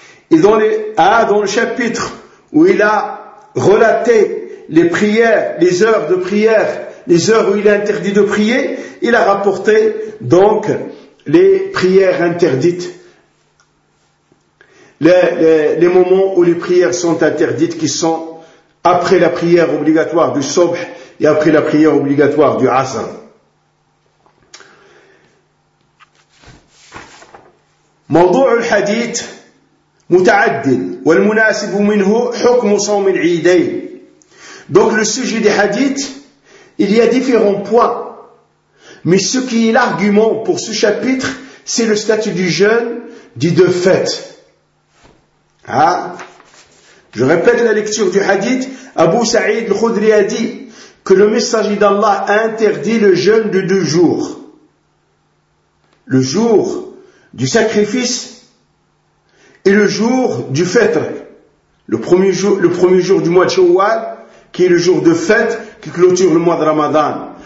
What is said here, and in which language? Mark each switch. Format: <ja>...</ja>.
<fr>Et dans le chapitre où il a relater les prières, les heures de prière, les heures où il est interdit de prier, il a rapporté donc les prières interdites, les moments où les prières sont interdites, qui sont après la prière obligatoire du Sobh et après la prière obligatoire du Asr.</fr> <ar>موضوع الحديث متعدد والمناسب منه حكم صوم العيدين.</ar> <fr>Donc le sujet des hadiths, il y a différents points, mais ce qui est l'argument pour ce chapitre, c'est le statut du jeûne des deux fêtes. Ah, je répète la lecture du hadith. Abu Sa'id al-Khudri a dit que le messager d'Allah a interdit le jeûne de deux jours, le jour du sacrifice et le jour du fêtre, le premier jour du mois de Shawwal, qui est le jour de fête qui clôture le mois de Ramadan.</fr>